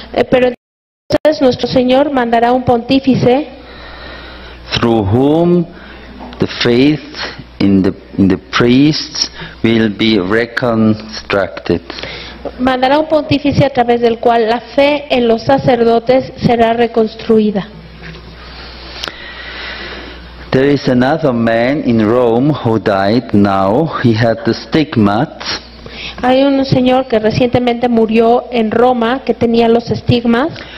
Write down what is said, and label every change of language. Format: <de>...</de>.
<es>Pero entonces nuestro Señor mandará un pontífice.</es> <en>Through whom the faith in the priests will be reconstructed.</en> <es>Mandará un pontífice a través del cual la fe en los sacerdotes será reconstruida.</es> <en>There is another man in Rome who died now. He had the stigmat.</en> <es>Hay un señor que recientemente murió en Roma que tenía los estigmas.</es>